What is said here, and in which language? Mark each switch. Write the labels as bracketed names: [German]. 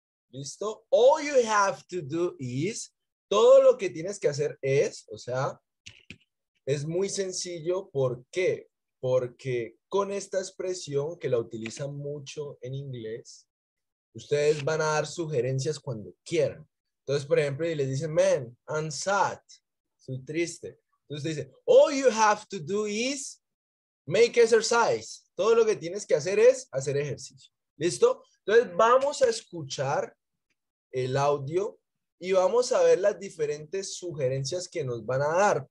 [Spanish] ¿Listo? [English] All you have to do is, [Spanish] todo lo que tienes que hacer es, o sea, es muy sencillo. ¿Por qué? Porque con esta expresión que la utilizan mucho en inglés, ustedes van a dar sugerencias cuando quieran. Entonces, por ejemplo, y les dicen, [English] man, I'm sad. [Spanish] Estoy triste. Entonces dice, [English] all you have to do is make exercise. [Spanish] Todo lo que tienes que hacer es hacer ejercicio. ¿Listo? Entonces vamos a escuchar el audio y vamos a ver las diferentes sugerencias que nos van a dar.